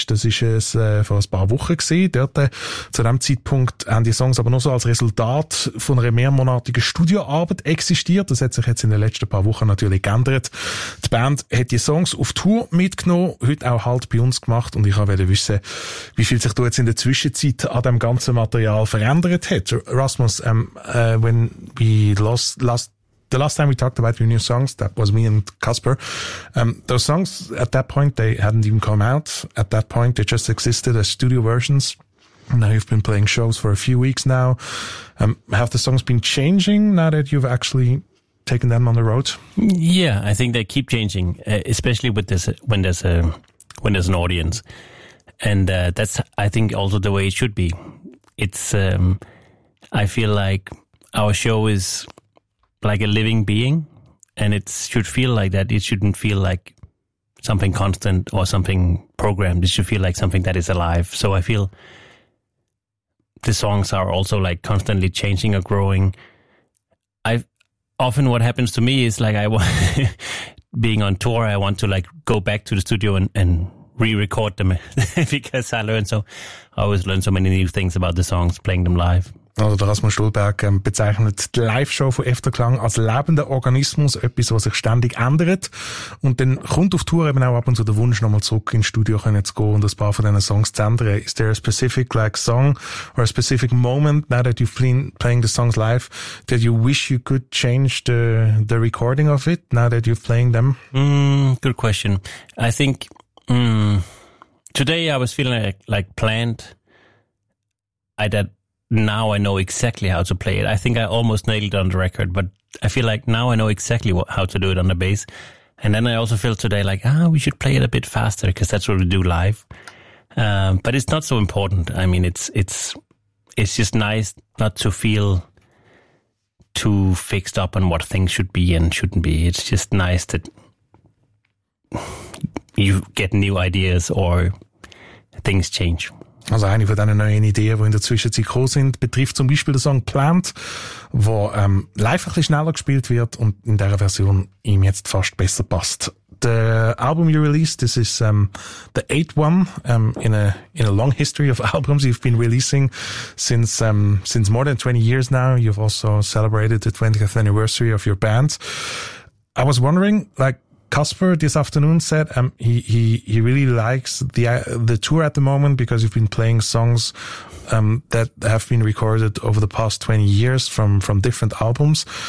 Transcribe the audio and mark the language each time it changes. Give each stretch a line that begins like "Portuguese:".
German: Das war es vor ein paar Wochen gewesen. Dort zu dem Zeitpunkt haben die Songs aber nur so als Resultat von einer mehrmonatigen Studioarbeit existiert. Das hat sich jetzt in den letzten paar Wochen natürlich geändert. Die Band hat die Songs auf Tour mitgenommen, heute auch halt bei uns gemacht und ich wollte wissen, wie viel sich du jetzt in der Zwischenzeit an dem ganzen Material verändert hat.
English: Rasmus, when we the last time we talked about your new songs, that was me and Casper. Those songs at that point they hadn't even come out. At that point they just existed as studio versions. Now you've been playing shows for a few weeks now. Have the songs been changing now that you've actually taken them on the road? Yeah, I think they keep changing, especially with this when there's an audience. And that's, I think, also the way it should be. It's, I feel like our show is like a living being, and it should feel like that. It shouldn't feel like something constant or something programmed. It should feel like something that is alive. So I feel the songs are also like constantly changing or growing. Often what happens to me is like I being on tour, I want to like go back to the studio and re-record them because I learned so. I always learn so many new things about the songs, playing them live.
German: Also, der Rasmus Stolberg bezeichnet die Live-Show von Efterklang als lebender Organismus, etwas, was sich ständig ändert. Und dann kommt auf Tour eben auch ab und zu der Wunsch, nochmal zurück ins Studio können zu gehen und ein paar von diesen Songs zu ändern.
English: Is there a specific like song or a specific moment now that you've been playing the songs live that you wish you could change the recording of it now that you're playing them? Good question. I think. Today I was feeling like planned. Now I know exactly how to play it. I think I almost nailed it on the record, but I feel like now I know exactly how to do it on the bass. And then I also feel today like, we should play it a bit faster because that's what we do live. But it's not so important. I mean, it's just nice not to feel too fixed up on what things should be and shouldn't be. It's just nice that you get new ideas or things change.
German: Also eine von diesen neuen Ideen, die in der Zwischenzeit gekommen sind, betrifft zum Beispiel den Song Plant, wo live ein bisschen schneller gespielt wird und in dieser Version ihm jetzt fast besser passt.
English: The album you released, this is the 8th one in a long history of albums you've been releasing since more than 20 years now. You've also celebrated the 20th anniversary of your band. I was wondering, like, Casper this afternoon said he really likes the tour at the moment because you've been playing songs that have been recorded over the past 20 years from different albums.